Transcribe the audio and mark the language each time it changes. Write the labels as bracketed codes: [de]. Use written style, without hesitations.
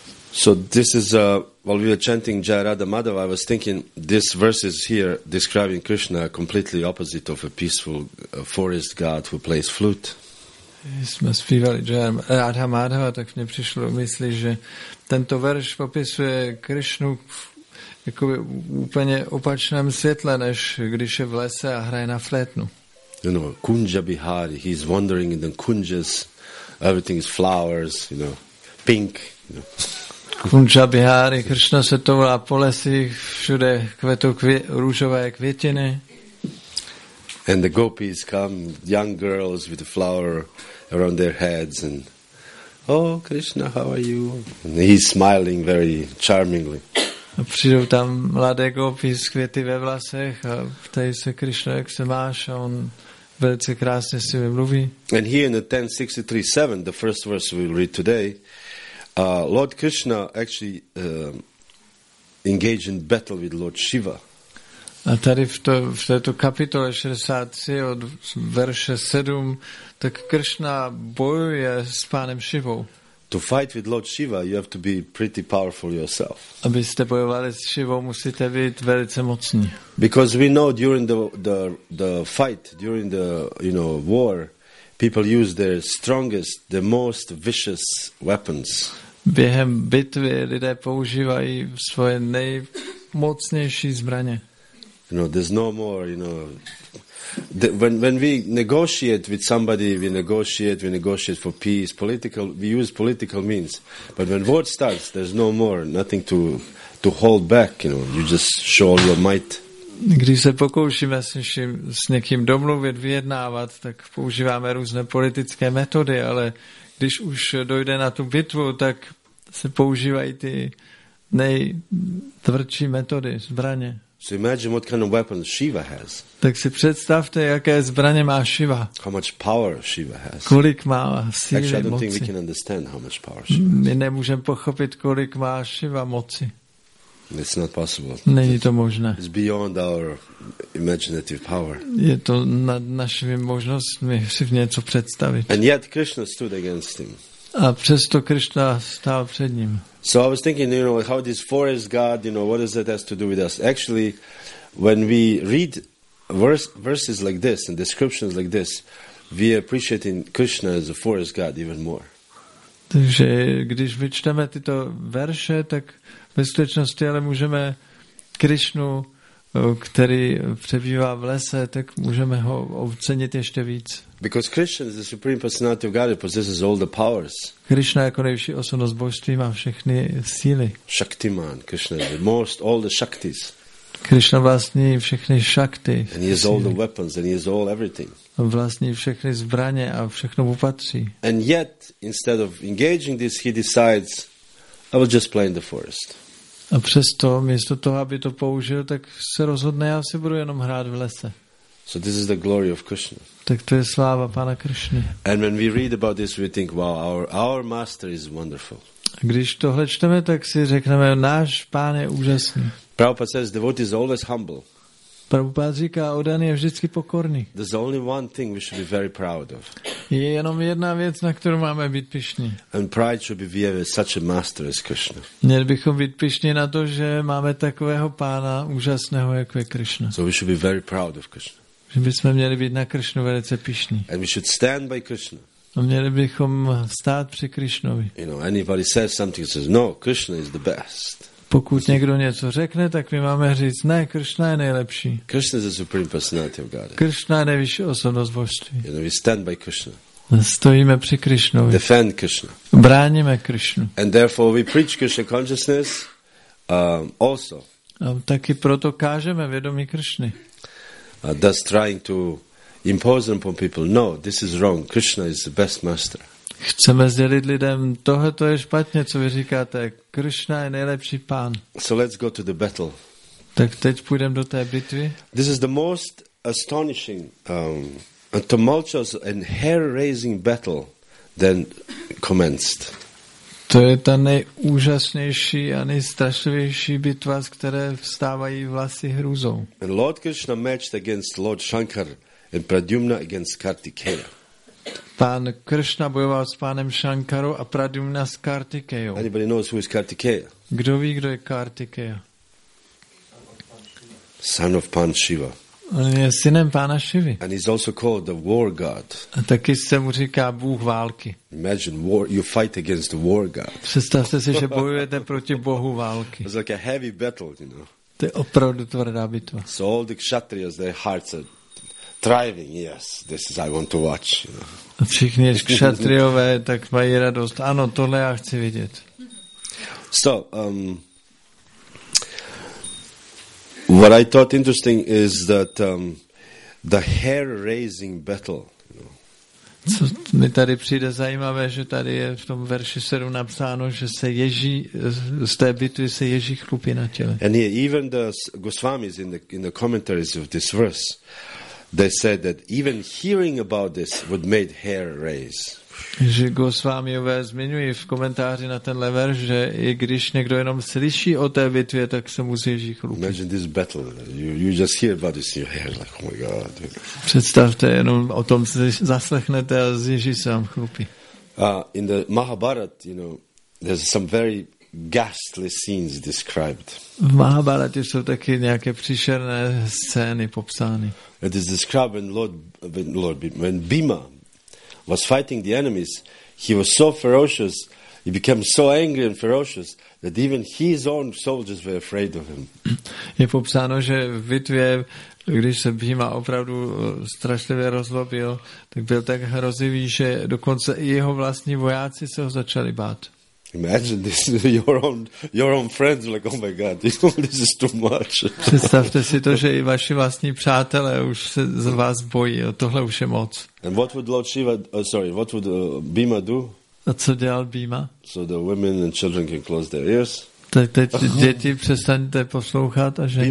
[en] So this is, while we were chanting Jaya Radha Madhava, I was thinking this verse is here describing Krishna completely opposite of a peaceful forest god who plays flute. [cs] Jsme zpívali Radha Madhava, tak mě přišlo myslí, že tento verš popisuje Krišnu jakoby úplně opačném světle, než když je v lese a hraje na flétnu. [en] You know, Kunja Bihari, he's wandering in the kunjas, everything is flowers, you know, pink. You know. [cs] Kunja Bihari, Krishna se touhá po lesích, všude kvetou růžové květiny. [en] And the gopis come, young girls with a flower around their heads, and oh, Krishna, how are you? And he's smiling very charmingly. [cs] A přijdou tam mladé gopi s květy ve vlasech a ptají se Krishna, jak se máš, a on velice krásně s nimi mluví. [en] And here in the 10.63.7, the first verse we'll read today, Lord Krishna actually engaged in battle with Lord Shiva. [cs] A tady v této kapitole 63 od verše 7 tak Krishna bojuje s pánem Shivou. [en] To fight with Lord Shiva, you have to be pretty powerful yourself. [cs] Abyste bojovali s Shivou, musíte být velice mocní. [en] Because we know during the fight, during the, you know, war, people use their strongest, the most vicious weapons. [cs] Během bitvy lidé používají svoje nejmocnější zbraně. [en] You know, there's no more, you know, when we negotiate with somebody, we negotiate for peace, political, we use political means. But when war starts, there's no more, nothing to hold back, you know, you just show all your might. [cs] Když se pokoušíme s někým domluvit, vyjednávat, tak používáme různé politické metody, ale když už dojde na tu bitvu, tak se používají ty nejtvrdší metody, zbraně. [en] So imagine what kind of weapon Shiva has. [cs] Tak si představte, jaké zbraně má Shiva. [en] How much power Shiva has. [cs] Kolik má síly, [en] Actually, I don't think we can understand how much power Shiva has. [cs] My nemůžeme pochopit, kolik má Shiva moci. [en] It's not possible. [cs] Není to možné. [en] It's beyond our imaginative power. [cs] Je to nad našimi možnostmi si něco představit. [en] And yet Krishna stood against him. [cs] A přesto Krishna stál před ním. [en] So I was thinking, you know, how this forest god, you know, what does that has to do with us? Actually, when we read verses like this and descriptions like this, we appreciate Krishna as a forest god even more. [cs] Takže když vyčteme tyto verše, tak ve skutečnosti ale můžeme Krishnu, který přebývá v lese, tak můžeme ho ocenit ještě víc. [en] Because Krishna is the supreme personality of God, he possesses all the powers. [cs] Krishna jako nejvyšší osobnost božství má všechny síly. [en] Shaktiman, Krishna is the most, all the shaktis. [cs] Krishna vlastní všechny šakty. [en] And he has all the weapons, and he has all everything. [cs] Vlastní všechny zbraně a všechno mu patří. [en] And yet, instead of engaging this, he decides, I will just play in the forest. [cs] A přesto, místo toho, aby to použil, tak se rozhodne, já si budu jenom hrát v lese. [en] So this is the glory of Krishna. [cs] Tak to je sláva pána Krishny. [en] And when we read about this, we think, wow, our master is wonderful. [cs] Když tohle čteme, tak si řekneme, náš pán je úžasný. [en] Prabhupada says, devotee is always humble. [cs] Prabhupada říká, oddaný je vždycky pokorný. [en] There's only one thing we should be very proud of. [cs] Je jenom jedna věc, na kterou máme být pyšní. [en] And pride should be we have such a master as Krishna. [cs] Měli bychom být pyšní na to, že máme takového pána úžasného, jako je Krishna. [en] So we should be very proud of Krishna. [cs] Že bychom měli být na Krishnu velice pyšní. [en] And we should stand by Krishna. [cs] A měli bychom stát při Krishnovi. [en] You know, anybody says something, says, no, Krishna is the best. [cs] Pokud někdo něco řekne, tak my máme říct, ne, Krishna je nejlepší. [en] Krishna is the supreme personality of God. [cs] Krishna je nejvyšší osobnost božství. [en] You know, we stand by Krishna. [cs] Stojíme při Krishnovi. [en] Defend Krishna. [cs] Bráníme Krishnu. [en] And therefore we preach Krishna consciousness also. [cs] A taky proto kážeme vědomí Krishny. [en] Thus trying to impose upon people, no, this is wrong. Krishna is the best master. [cs] Chceme sdělit lidem, tohle to je špatně, co vy říkáte. Krishna je nejlepší pán. [en] So let's go to the battle. [cs] Tak teď půjdeme do té bitvy. [en] This is the most astonishing, tumultuous and hair-raising battle then commenced. [cs] To je ta nejúžasnější a nejstrašlivější bitva, z které vstávají vlasy hrůzou. [en] And Lord Krishna matched against Lord Shankar and Pradyumna against Kartikeya. [cs] Pán Krishna bojoval s pánem Shankarou a Pradyumna s Kartikeyou. [en] Anybody knows who is Kartikeya? [cs] Kdo ví, kdo je Kartikeya? [en] Son of Pan Shiva. [cs] On je synem pána Šivy. [en] And he's also called the war god. [cs] A taky se mu říká bůh války. [en] Imagine war, you fight against the war god. [cs] Představte si, že bojujete proti bohu války. [en] It's like a heavy battle, you know. [cs] To je opravdu tvrdá bitva. [en] So all the kshatriyas, their hearts are thriving. Yes, this is I want to watch, you know. [cs] A všichni kshatriové tak mají radost. Ano, tohle já chci vidět. [en] So, what I thought interesting is that the hair-raising battle. [cs] Co mi tady přijde zajímavé, že tady je v tom verši 7 napsáno, že se ježí z té bitvy se ježí chlupy na těle. [en] And here, even the Goswamis in the commentaries of this verse, they said that even hearing about this would make hair raise. [cs] Že Gosvámiové zmiňují v komentáři na tenhle verš, že i když někdo jenom slyší o té bitvě, tak se mu zježí chlupy. [en] Imagine this battle. You just hear about this in your head, like, oh my God. [cs] Představte, jenom o tom zaslechnete a zježí se vám chlupy. [en] In the Mahabharat, you know, there's some very ghastly scenes described. [cs] V Mahabharatě jsou taky nějaké příšerné scény popsány. [en] It is described when Bhima was fighting the enemies, he was so ferocious, he became so angry and ferocious that even his own soldiers were afraid of him. [cs] Je popsáno, že v bitvě, když se Bhima opravdu strašlivě rozlobil, tak byl tak hrozivý, že dokonce i jeho vlastní vojáci se ho začali bát. [en] Imagine this, your own friends are like, oh my God, this is too much. [cs] Představte si to, že i vaši vlastní přátelé už se z vás bojí, tohle už je moc. [en] And what would Lord Shiva, Bhima do? [cs] A co dělal Bhima? [en] So the women and children can close their ears. [cs] Tak teď děti přestaňte poslouchat a ženy.